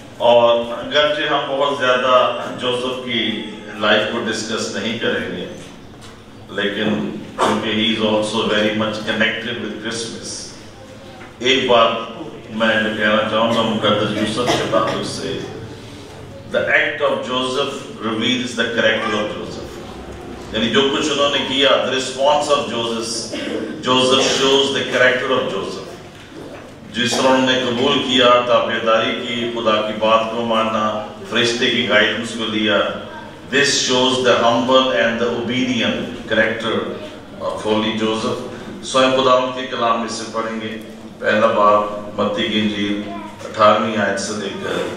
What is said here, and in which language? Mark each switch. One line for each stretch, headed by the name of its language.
Hindi: और अगर जो हम बहुत ज्यादा जोसेफ की लाइफ को डिस्कस नहीं करेंगे लेकिन क्योंकि
English: he is also very much connected with Christmas
Hindi: एक बात मैं कहना चाहूंगा मुकद्दस यूसुफ के ताल्लुक से
English: The act of Joseph reveals the character of Joseph.
Hindi: यानी जो कुछ उन्होंने किया,
English: the response of Joseph, Joseph shows the character of Joseph.
Hindi: जिस तरह उन्होंने कबूल किया, ताबेदारी की, खुदा की बात को मानना, फरिश्ते की guidance को लिया,
English: this shows the humble and the obedient character of holy Joseph.
Hindi: स्वयं खुदा के कलाम में से पढ़ेंगे, पहला बार मत्ती की इंजील, 18वीं आयत से लेकर